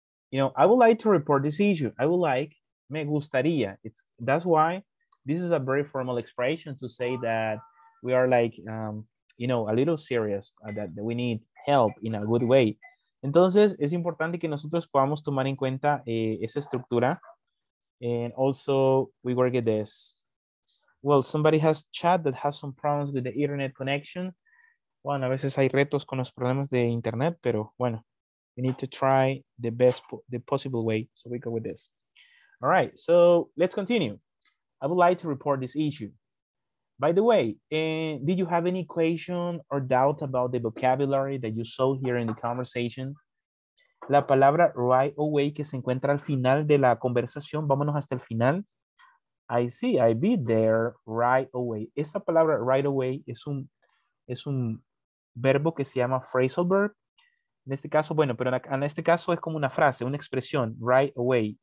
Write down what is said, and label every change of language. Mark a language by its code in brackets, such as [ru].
[en] You know, I would like to report this issue. I would like, [es] me gustaría. [en] It's, that's why this is a very formal expression to say that we are like, you know, a little serious, that we need help in a good way. [es] Entonces, es importante que nosotros podamos tomar en cuenta esa estructura. [en] And also, we work at this. Well, somebody has chat that has some problems with the internet connection. [es] Bueno, a veces hay retos con los problemas de internet, pero bueno. [en] We need to try the best, the possible way. So we go with this. All right, so let's continue. I would like to report this issue. By the way, did you have any question or doubt about the vocabulary that you saw here in the conversation? [es] La palabra [en] right away [es] que se encuentra al final de la conversación. Vámonos hasta el final. [en] I see, I be there right away. [es] Esa palabra [en] right away [es] es un verbo que se llama [en] phrasal verb. [es] En este caso, bueno, pero en este caso es como una frase, una expresión, [en] right away.